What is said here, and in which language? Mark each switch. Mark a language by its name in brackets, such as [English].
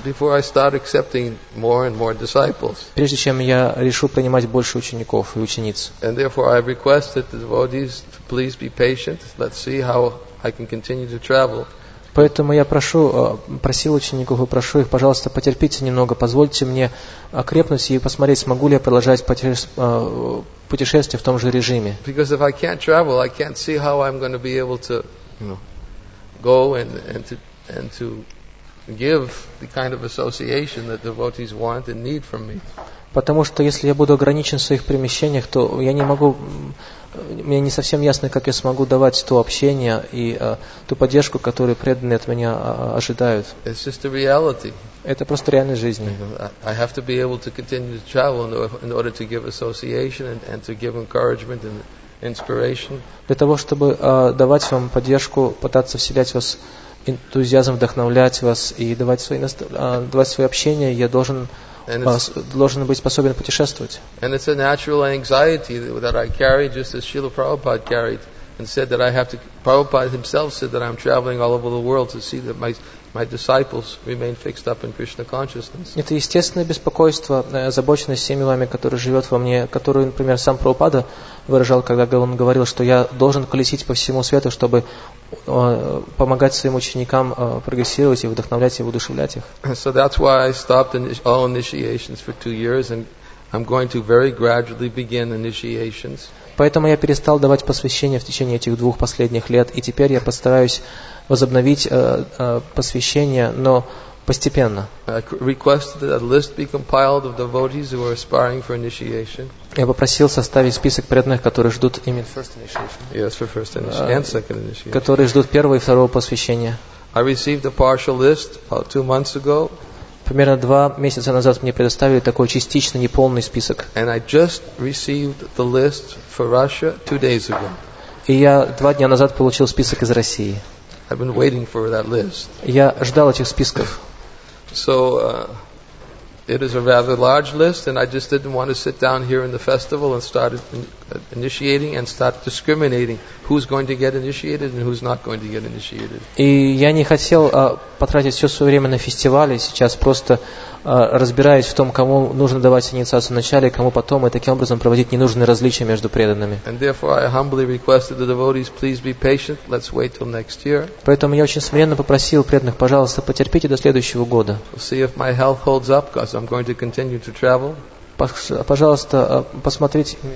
[English] Before I start accepting more and more disciples. [Russian] Прежде чем я решу принимать больше учеников и учениц. [English] And therefore, I requested the devotees to please be patient. Let's see how I can continue to travel. [Russian] Поэтому я просил учеников и прошу их, пожалуйста, потерпите немного, позвольте мне окрепнуть и посмотреть, смогу ли я продолжать путешествие в том же режиме. [English] Because if I can't travel, I can't see how I'm going to be able to, you know, go and to give the kind of association that devotees want and need from me. [Russian] Потому что если я буду ограничен в своих перемещениях, то я не могу, мне не совсем ясно, как я смогу давать то общение и ту поддержку, которую преданные от меня ожидают. [English] It's just a reality. [Russian] Это просто реальность жизни. [English] I have to be able to continue to travel in order to give association and to give encouragement and inspiration. [Russian] Для того, чтобы давать вам поддержку, пытаться вселять в вас энтузиазм, вдохновлять вас и давать свои общения, я должен... должен быть способен путешествовать. [English] And it's a natural anxiety that I carry, just as Srila Prabhupada carried and said that I have to. Prabhupada himself said that I'm traveling all over the world to see that my disciples remain fixed up in Krishna consciousness. [Russian] Это естественное беспокойство, озабоченность всеми вами, которая живет во мне, которую, например, сам Прабхупада выражал, когда он говорил, что я должен колесить по всему свету, чтобы помогать своим ученикам прогрессировать и вдохновлять и воодушевлять их. [English] So that's why I stopped all initiations for 2 years, and I'm going to very gradually begin initiations. [Russian] Поэтому я перестал давать посвящение в течение этих 2 последних лет, и теперь я постараюсь возобновить посвящение, но постепенно. [English] I requested that a list be compiled of devotees who are aspiring for initiation. [Russian] Я попросил составить список преданных, которые ждут именно [English] first initiation. Yes, for first initiation and second initiation. [Russian] Которые ждут первого и второго посвящения. [English] I received a partial list about 2 months ago. [Russian] Примерно 2 месяца назад мне предоставили такой частично неполный список. [English] And I just received the list for Russia 2 days ago. [Russian] И я 2 дня назад получил список из России. [English] I've been waiting for that list. [Russian] Я ждал этих списков. [English] So it is a rather large list, and I just didn't want to sit down here in the festival and start initiating and start discriminating who's going to get initiated and who's not going to get initiated. [Russian] И я не хотел потратить все свое время на фестивале, сейчас просто разбираюсь в том, кому нужно давать инициацию вначале, кому потом, и таким образом проводить ненужные различия между преданными. [English] And therefore I humbly requested the devotees, please be patient, let's wait till next year. [Russian] Поэтому я очень смиренно попросил преданных, пожалуйста, потерпите до следующего года. [English] We'll see if my health holds up, because I'm going to continue to travel. [Russian] Пожалуйста, посмотрите.